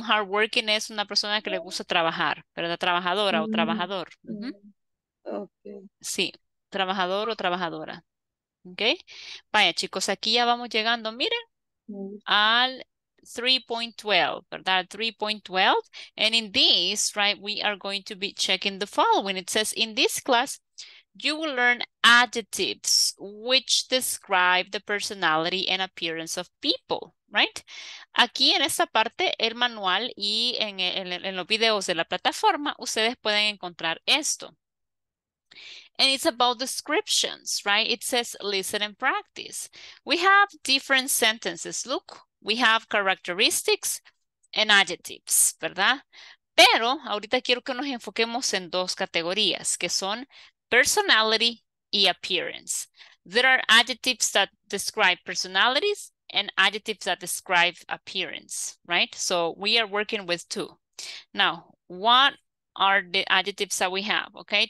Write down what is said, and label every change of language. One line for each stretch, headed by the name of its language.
Spanish: Hardworking es una persona que le gusta trabajar, ¿verdad? Trabajadora o trabajador. Mm-hmm.
English: Okay.
Spanish: Sí, trabajador o trabajadora. Okay. Vaya, chicos, aquí ya vamos llegando, miren, al 3.12, ¿verdad? 3.12.
English: And in this, right, we are going to be checking the following. It says, in this class, you will learn adjectives which describe the personality and appearance of people, right?
Spanish: Aquí en esta parte, el manual y en los videos de la plataforma, ustedes pueden encontrar esto.
English: And it's about descriptions, right? It says, listen and practice. We have different sentences. Look, we have characteristics and adjectives, ¿verdad?
Spanish: Pero ahorita quiero que nos enfoquemos en dos categorías, que son personality y appearance.
English: There are adjectives that describe personalities and adjectives that describe appearance, right? So we are working with two. Now, what are the adjectives that we have, okay?